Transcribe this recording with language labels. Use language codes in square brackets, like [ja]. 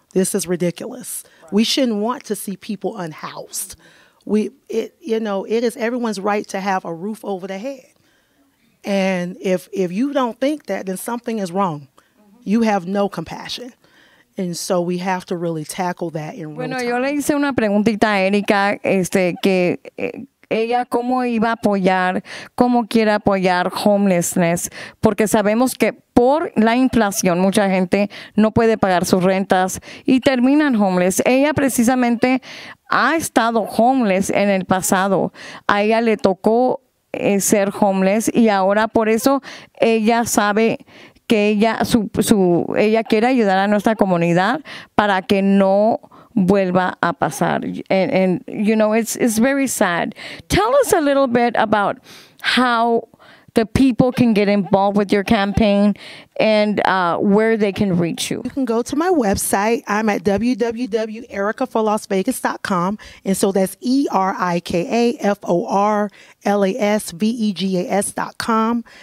[en] This is ridiculous. Right. We shouldn't want to see people unhoused. Mm-hmm. It is everyone's right to have a roof over their head. And if you don't think that, then something is wrong. Mm-hmm. You have no compassion. And so we have to really tackle that in real time. [es] Bueno, yo le hice una preguntita a Erika, que ella cómo iba a apoyar, cómo quiere apoyar homelessness, porque sabemos que por la inflación mucha gente no puede pagar sus rentas y terminan homeless. Ella precisamente ha estado homeless en el pasado. A ella le tocó ser homeless y ahora por eso ella sabe que ella ella quiere ayudar a nuestra comunidad para que no vuelva a pasar. [en] And you know, it's very sad. Tell us a little bit about how the people can get involved with your campaign and where they can reach you. You can go to my website. I'm at www.ericaforlasvegas.com. And so that's ericaforlasvegas.com.